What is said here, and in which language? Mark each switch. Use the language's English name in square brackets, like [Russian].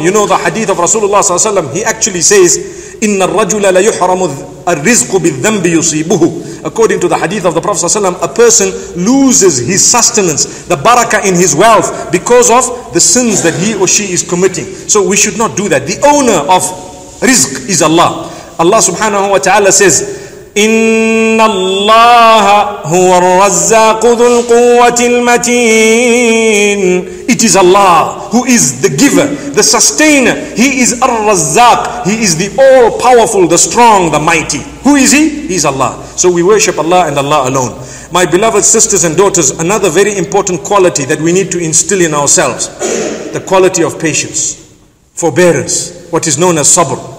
[English] You know the hadith of Rasulullah sallallahu alaihi wasallam, he actually says, [Arabic] إِنَّ الرَّجُلَ لَيُحْرَمُ الرِّزْقُ بِالذَّنْبِ يُصِيبُهُ. [English] According to the hadith of the Prophet ﷺ, a person loses his sustenance, the barakah in his wealth, because of the sins that he or she is committing. So we should not do that. The owner of rizq is Allah. Allah subhanahu wa ta'ala says, [Arabic] إِنَّ اللَّهَ هُوَ الرَّزَّاقُ ذُو الْقُوَّةِ الْمَتِينَ. [English] It is Allah who is the giver, the sustainer. He is Ar-Razzaq. He is the all-powerful, the strong, the mighty. Who is He? He is Allah. So we worship Allah and Allah alone. My beloved sisters and daughters, another very important quality that we need to instill in ourselves, the quality of patience, forbearance, what is known as sabr.